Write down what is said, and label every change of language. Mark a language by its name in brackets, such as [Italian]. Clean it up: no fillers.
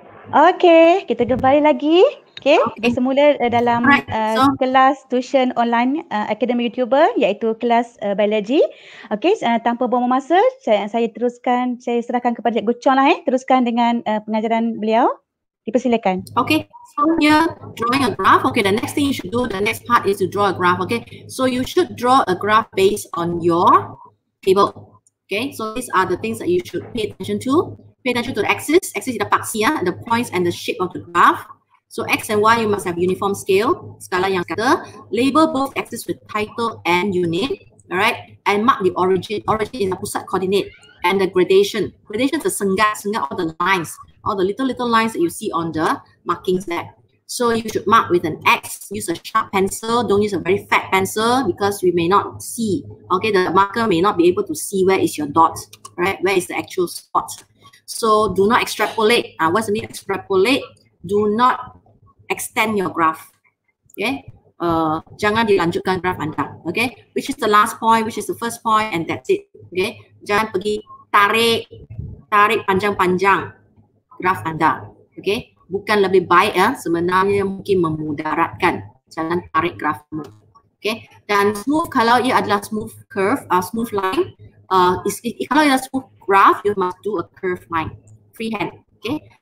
[Malay] Okay, kita kembali lagi. Okay, okay. Semula dalam kelas tuition online Akademi YouTuber iaitu kelas biologi. Okay, tanpa buang masa, saya teruskan, saya serahkan kepada Cikgu Chong lah teruskan dengan pengajaran beliau. Dipersilakan. [English] Okay, so here drawing a graph. Okay, the next thing you should do, the next part is to draw a graph. Okay, so you should draw a graph based on your table. Okay, so these are the things that you should pay attention to. Pay attention to the axis. Axis is the paksia, the points and the shape of the graph. So X and Y, you must have uniform scale. [Malay] Skala yang kata. [English] Label both axis with title and unit. Alright? And mark the origin. Origin is the pusat coordinate. And the gradation. Gradation is the senggak. Senggak all the lines. All the little lines that you see on the markings there. So you should mark with an X. Use a sharp pencil. Don't use a very fat pencil because we may not see. Okay? The marker may not be able to see where is your dot. Right? Where is the actual spot. So do not extrapolate. What's the need? Extrapolate. Do not extend your graph. Okay. [Malay] Jangan dilanjutkan graph anda. [English] Okay. Which is the last point? Which is the first point? And that's it. Okay. [Malay] Jangan pergi tarik panjang graph anda. Okay. Bukan lebih baik ya. Sebenarnya mungkin memudaratkan. jangan tarik graf. [English] Okay. [Malay] Dan smooth, kalau ia adalah [English] smooth curve, smooth line, [Malay] kalau ia [English] smooth graph, you must do a curve line, freehand. Okay.